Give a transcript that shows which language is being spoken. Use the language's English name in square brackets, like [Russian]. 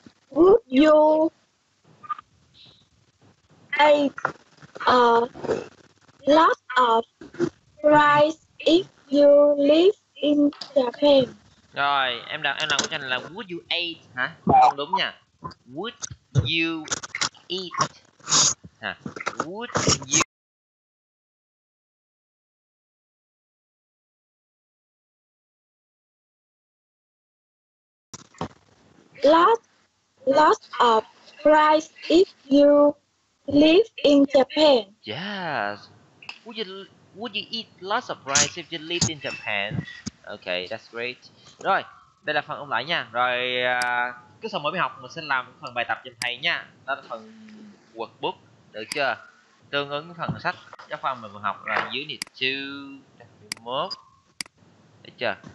[English] Would you take a lot of price if you live in Japan? [Vietnamese] Rồi, em làm câu trả lời là [English] would you eat [Vietnamese] hả? Không đúng nha. [English] Would you eat? Hả? Would you lots of price if you live in Japan? Yes. Would you eat lots of rice if you live in Japan? Okay, that's great. [Vietnamese] Rồi, đây là phần ôn lại nha. Rồi, cứ sau mỗi buổi học mình sẽ làm phần bài tập giùm thầy nha. Đó là phần workbook, được chưa? Tương ứng phần sách giáo khoa mình vừa học là unit 2, chapter 1. Được chưa?